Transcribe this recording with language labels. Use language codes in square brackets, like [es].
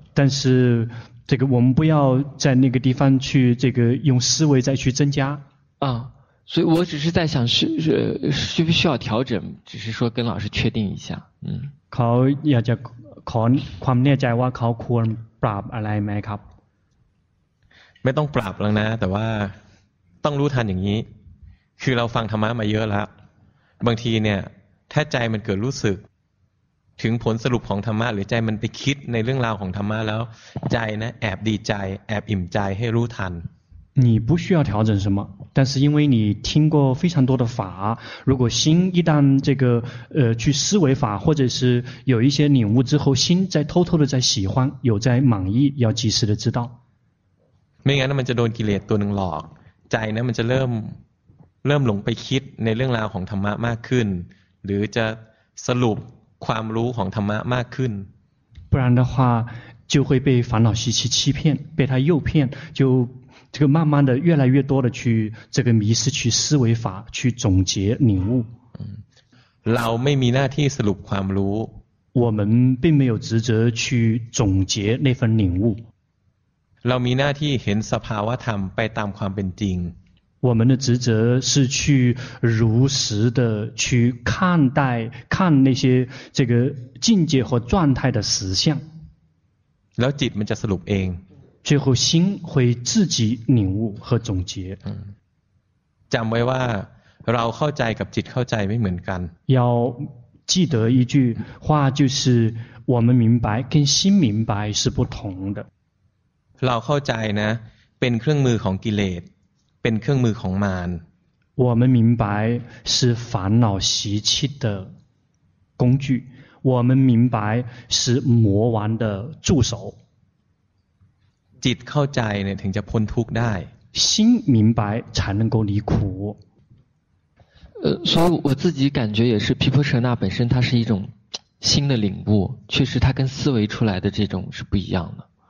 [zh] 但是这个我们不要在那个地方去这个用思维再去增加啊所以我只是在想需不需要调整只是说跟老师确定一下嗯 [th] เขาอยากจะขอความแน่ใจว่าเขาควรปรับอะไรไหมครับ ไม่ต้องปรับแล้วนะแต่ว่าต้องรู้ทันอย่างนี้คือเราฟังธรรมะมาเยอะแล้วบางทีเนี่ยถ้าใจมันเกิดรู้สึกถึงผลสรุปของธรรมะหรือใจมันไปคิดในเรื่องราวของธรรมะแล้วใจนะแอบดีใจแอบอิ่มใจให้รู้ทัน [zh] 你不需要调整什么但是因为你听过非常多的法如果心一旦这个去思维法或者是有一些领悟之后心在偷偷的在喜欢有在满意要及时的知道 [th] ไม่งั้นมันจะโดนกิเลสตัวหนึ่งหลอกใจนะมันจะเริ่มหลงไปคิดในเรื่องราวของธรรมะมากขึ้นหรือจะสรุปความรู้ของธรรมะมากขึ้น [zh] 不然的话就会被烦恼习气欺骗被他诱骗就这个慢慢的越来越多的去这个迷失去思维法去总结领悟 [th] เราไม่มีหน้าที่สรุปความรู้ [zh] 我们并没有职责去总结那份领悟 [th] เรามีหน้าที่เห็นสภาวะธรรมไปตามความเป็นจริง [zh] 我们的职责是去如实的去看待看那些这个境界和状态的实相 [th] แล้วจิตมันจะสรุปเอง [zh] 最后心会自己领悟和总结 [th] จำไว้ว่าเราเข้าใจกับจิตเข้าใจไม่เหมือนกัน [zh] 要记得一句话就是我们明白跟心明白是不同的 [th] เราเข้าใจนะเป็นเครื่องมือของกิเลสเป็นเครื่องมือของมาร [zh] 我们明白是烦恼习气的工具我们明白是魔王的助手 [th] จิตเข้าใจเนี่ยถึงจะพ้นทุกข์ได้ [zh] 心明白才能够离苦所以我自己感觉也是毗婆舍那本身它是一种新的领悟确实它跟思维出来的这种是不一样的